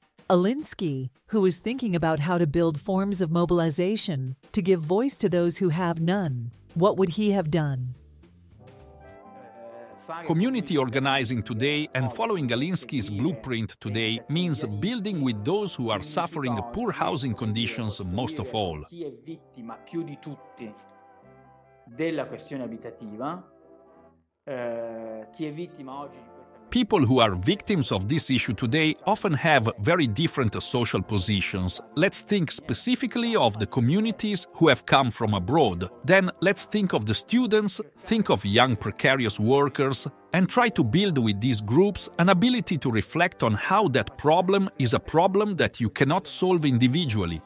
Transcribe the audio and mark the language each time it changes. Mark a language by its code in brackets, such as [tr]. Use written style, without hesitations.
[en] Alinsky, who is thinking about how to build forms of mobilization to give voice to those who have none, what would he have done? Community organizing today and following Alinsky's blueprint today means building with those who are suffering poor housing conditions most of all. [it] Chi è vittima più di tutti della questione abitativa? Chi è vittima oggi? [en] People who are victims of this issue today often have very different social positions. Let's think specifically of the communities who have come from abroad. Then let's think of the students, think of young precarious workers, and try to build with these groups an ability to reflect on how that problem is a problem that you cannot solve individually.